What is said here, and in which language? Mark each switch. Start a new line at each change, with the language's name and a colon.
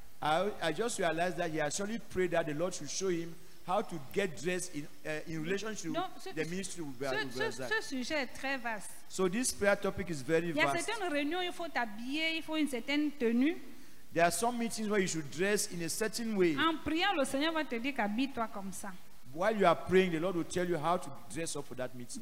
English: I just realized that he actually prayed that the Lord should show him how to get dressed in relationship with the ministry with Brother Zach.
French: Ce sujet est très vaste.
English: So this prayer topic is very vast.
French: Il y a certaines réunions où il faut t'habiller, il faut une certaine tenue.
English: There are some meetings where you should dress in a certain way.
French: En priant, le Seigneur va te dire qu'habille-toi comme ça.
English: While you are praying, the Lord will tell you how to dress up for that meeting.